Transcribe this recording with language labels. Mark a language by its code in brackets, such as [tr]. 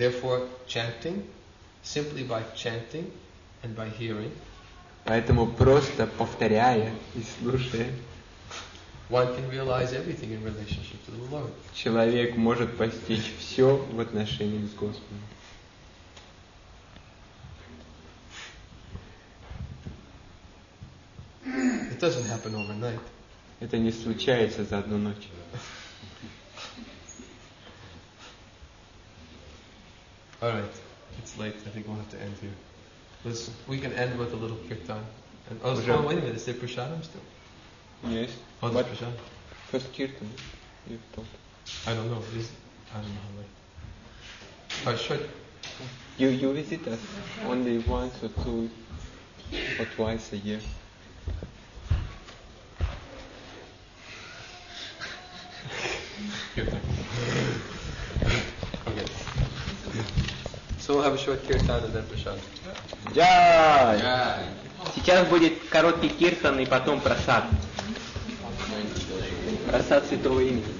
[en] Therefore, chanting, simply by chanting and by hearing, [ru] поэтому просто повторяя и слушая, [en] one can realize everything in relationship to the Lord. [ru] Человек может постичь все в отношении с Господом. [en] It doesn't happen overnight. [ru] Это не случается за одну ночь. [en] All right, it's late. I think we'll have to end here. We can end with a little kirtan. And oh, wait a minute, is there prasadam still? Yes. Oh, the prasadam. First kirtan, you've told. I don't know. I don't know how much. Oh, sure. You visit us only once or two or twice a year. Kirtan. Okay. So we'll have a short kirtan and then prasadam. Jai! [ru] Сейчас будет короткий киртан и потом прасад. Рассад Святого Имени.